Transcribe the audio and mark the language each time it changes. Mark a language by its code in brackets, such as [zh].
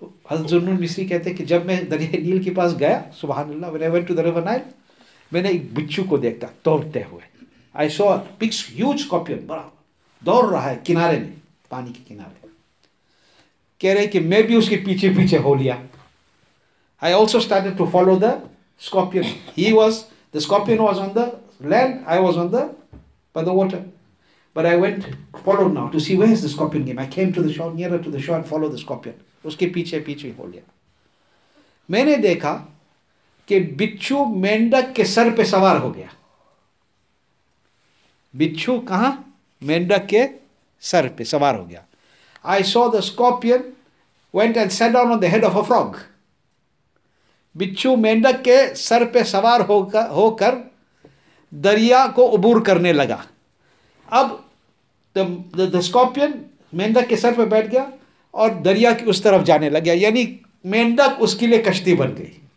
[ur] حضرت ذنون مصری کہتے کہ جب میں دریائے نیل کے پاس گیا, سبحان اللہ, [en] when I went to the river Nile, [ur] میں نے ایک بچھو کو دیکھتا دوڑتے ہوئے. [en] I saw big huge scorpion, [ur] بڑا دوڑ رہا ہے کنارے میں, پانی کے کنارے. کہہ رہے کہ میں بھی اس کے پیچھے پیچھے ہو لیا. [en] I also started to follow the scorpion. He was the scorpion was on the land, I was on the by the water, but I went follow now to see where is the scorpion game. I came to the shore, near to the shore, and follow the scorpion. [ur] اس کے پیچھے پیچھے ہو لیا. میں نے دیکھا کہ بچھو مینڈک کے سر پہ سوار ہو گیا. بچھو کہاں؟ مینڈک کے سر پہ سوار ہو گیا. [en] I saw the scorpion went and sat down on the head of a frog. [ur] بچھو مینڈک کے سر پہ سوار ہو کر دریا کو عبور کرنے لگا. اب دا اسکارپین مینڈک کے سر پہ بیٹھ گیا اور دریا کی اس طرف جانے لگا, یعنی مینڈک اس کے لیے کشتی بن گئی.